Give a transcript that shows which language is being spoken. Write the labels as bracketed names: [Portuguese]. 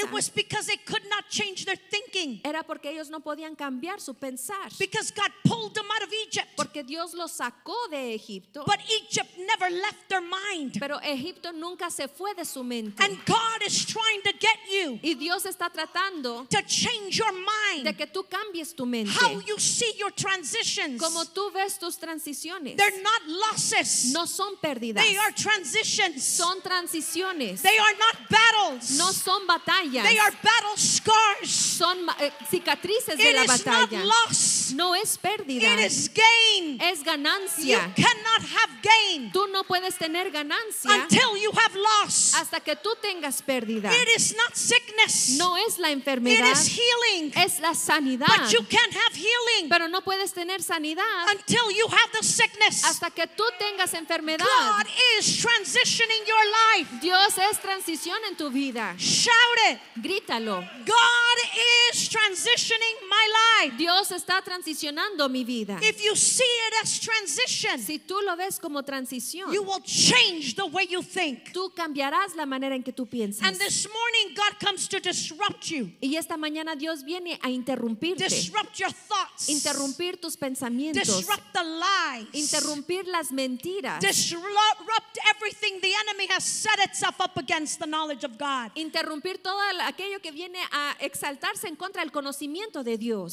[English] It was because they couldn't not change their thinking. [Spanish] Era porque ellos no podían cambiar su pensar. [English] Because God pulled them out of Egypt. [Spanish] Porque Dios los sacó de Egipto. [English] But Egypt never left their mind. [Spanish] Pero Egipto nunca se fue de su mente. [English] And God is trying to get you. [Spanish] Y Dios está tratando [English] to change your mind. [Spanish] De que tú cambies tu mente. [English] How you see your transitions. [Spanish] Como tú ves tus transiciones. [English] They're not losses. [Spanish] No son pérdidas. [English] They are transitions. [Spanish] Son transiciones. [English] They are not battles. [Spanish] No son batallas. [English] They are battles. Scars. [Spanish] Son cicatrices [English] it [Spanish] de la batalla. [English] Not loss. [Spanish] No es pérdida. [English] It is gain. [Spanish] Es ganancia. [English] You cannot have gain. [Spanish] Tú no puedes tener ganancia. [English] Until you have loss. [Spanish] Hasta que tú tengas pérdida. [English] It is not sickness. [Spanish] No es la enfermedad. [English] It is healing. [Spanish] Es la sanidad. [English] But you can't have healing. [Spanish] Pero no puedes tener sanidad. [English] Until you have the sickness. [Spanish] Hasta que tú tengas enfermedad. [English] God is transitioning your life. [Spanish] Dios es transición en tu vida. [English] Shout it. [Spanish] Grítalo. [English] God is transitioning my life. [Spanish] Dios está transicionando mi vida. [English] If you see it as transition, [Spanish] si tú lo ves como transición, [English] you will change the way you think. [Spanish] Tú cambiarás la manera en que tú piensas. [English] And this morning God comes to disrupt you. [Spanish] Y esta mañana Dios viene a interrumpirte. [English] Disrupt your thoughts. [Spanish] Interrumpir tus pensamientos. [English] Disrupt the lies. [Spanish] Interrumpir las mentiras. [English] Disrupt everything the enemy has set itself up against the knowledge of God. [Spanish] Interrumpir todo aquello que viene a exaltarse en contra del conocimiento de Dios.